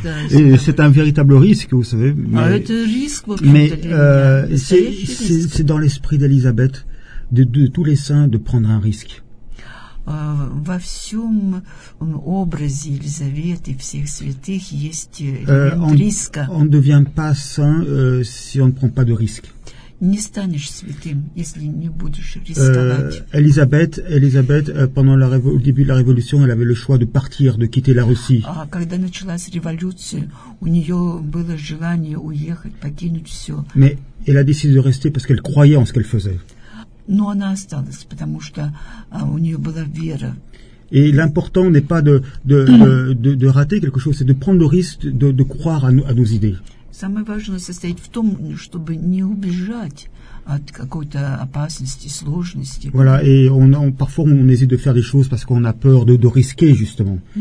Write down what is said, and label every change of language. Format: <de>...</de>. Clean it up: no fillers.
<fr>Et c'est un véritable risque, vous savez. Mais risque, c'est dans l'esprit d'Elisabeth, de tous les saints, de prendre un risque.</fr> <ru>Во всем образе Елизаветы, всех святых, есть риска.</ru> <fr>On devient pas saint si on ne prend pas de risque.</fr> <ru>Не станешь святым, если не будешь рисковать.</ru> <fr>Elisabeth, pendant au début de la révolution, elle avait le choix de partir, de quitter la Russie.</fr> <ru>Когда началась революция, у нее было желание уехать, покинуть все.</ru> <fr>Mais elle a décidé de rester parce qu'elle croyait en ce qu'elle faisait.</fr> <ru>Но она осталась, потому что у нее была вера.</ru> <fr>И l'important n'est pas de rater quelque chose, c'est de prendre le risque de croire à nos idées.</fr> <ru>Самое важное состоит в том, чтобы не убежать от какой-то опасности, сложности.</ru> <fr>Voilà, et parfois on hésite de faire des choses parce qu'on a peur de risquer justement.</fr>